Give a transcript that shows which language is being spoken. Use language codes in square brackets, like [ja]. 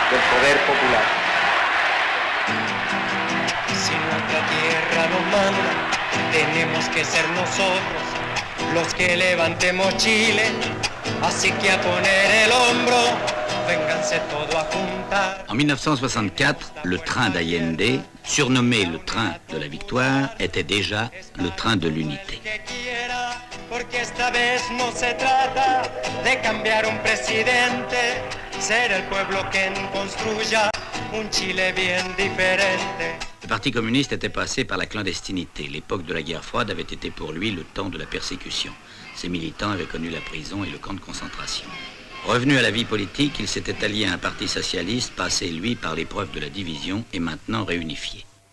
[es] Poder popular. Si nuestra tierra nos manda, tenemos que ser nosotros los que levantemos Chile. Así que a poner el hombro, vénganse todo a juntar. [fr] En 1964, le train d'Allende, surnommé le train de la victoire, était déjà le train de l'unité. [es] Porque esta vez no se trata de cambiar un presidente. Ser el pueblo quien construya un Chile bien diferente. [fr] Le Parti communiste était passé par la clandestinité. L'époque de la guerre froide avait été pour lui le temps de la persécution. Ses militants avaient connu la prison et le camp de concentration. Revenu à la vie politique, il s'était allié à un parti socialiste, passé, lui, par l'épreuve de la division et maintenant réunifié.